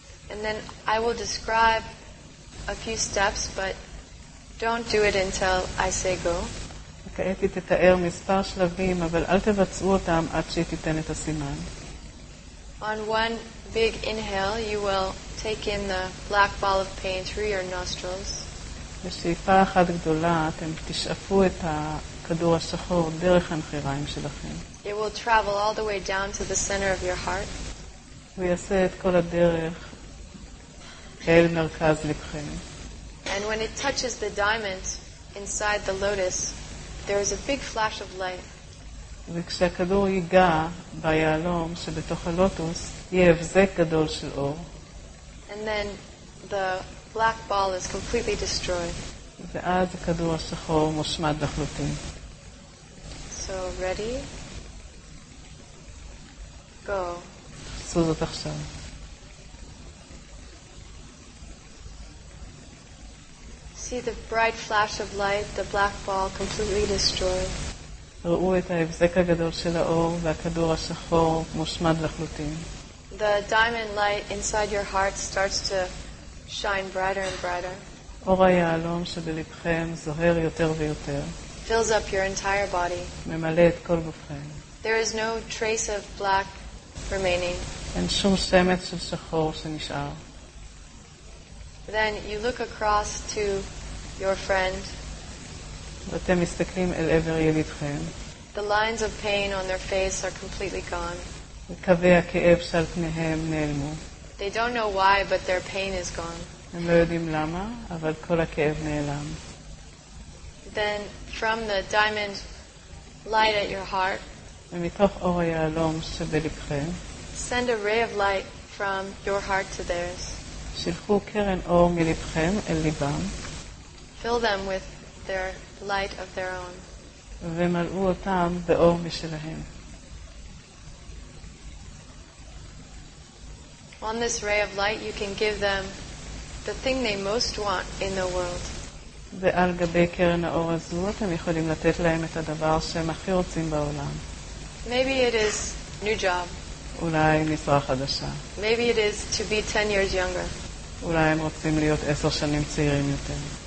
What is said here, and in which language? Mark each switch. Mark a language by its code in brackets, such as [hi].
[en] And then I will describe a few steps, but don't do it until I say go. [he] וכעת תתאר מספר שלבים, אבל אל תבצעו אותם עד שתיתן את הסימן. [en] On one big inhale, you will take in the black ball of pain through your nostrils. [he] בשאיפה אחת גדולה אתם תשאפו את הכדור השחור דרך הנחיריים שלכם. [en] It will travel all the way down to the center of your heart. [he] הוא יעשה את כל הדרך אל מרכז לבכם. [en] And when it touches the diamond inside the lotus, there is a big flash of light. [he] וכשהכדור ייגע ביהלום שבתוך הלוטוס, יהיה הבזק גדול של אור. [en] And then the black ball is completely destroyed. [he] ואז הכדור השחור מושמד לחלוטין. [en] So ready? Go. [he] עשו זאת עכשיו. [en] See the bright flash of light, the black ball completely destroyed. [he] ראו את ההבזק הגדול של האור והכדור השחור מושמד לחלוטין. [en] The diamond light inside your heart starts to shine brighter and brighter. [he] אור היהלום שבלבכם זוהר יותר ויותר. [en] Fills up your entire body. [he] ממלא את כל גופכם. [en] There is no trace of black remaining. [he] אין שום שמץ של שחור שנשאר. [en] Then you look across to your friend. [he] ואתם מסתכלים אל עבר ילידכם. [en] The lines of pain on their face are completely gone. [he] וקווי הכאב שעל פניהם נעלמו. [en] They don't know why, but their pain is gone. [he] הם לא יודעים למה, אבל כל הכאב נעלם. [en] Then from the diamond light at your heart, [he] ומתוך אור היהלום שבלבכם, [en] send a ray of light from your heart to theirs. [he] שלחו קרן אור מלבכם אל ליבם. [en] Fill them with their light of their own. [he] ומלאו אותם באור משלהם. [en] On this ray of light you can give them the thing they most want in the world. [he] ועל גבי קרן האור הזו אתם יכולים לתת להם את הדבר שהם הכי רוצים בעולם. [en] Maybe it is new job. [he] אולי משרה חדשה. [en] Maybe it is to be 10 years younger. [he] אולי הם רוצים להיות 10 שנים צעירים יותר.